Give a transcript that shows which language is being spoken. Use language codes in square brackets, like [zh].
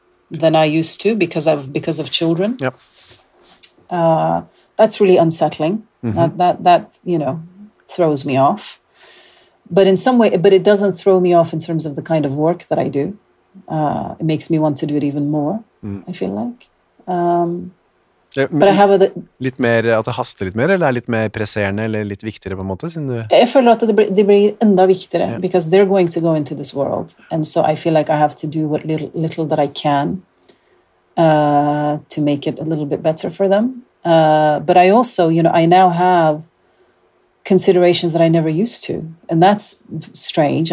[en] Than I used to because of children. Yep. That's really unsettling. Mm-hmm. That you know throws me off. But in some way, but it doesn't throw me off in terms of the kind of work that I do. It makes me want to do it even more. Mm. I feel like. But I have a [no] litt mer at det haster litt mer eller litt mer presserende eller litt viktigere på en måte siden du. Jeg føler at det blir enda viktigere [en] because they're going to go into this world and so I feel like I have to do what little that I can to make it a little bit better for them. But I also, you know, I now have considerations that I never used to and that's strange.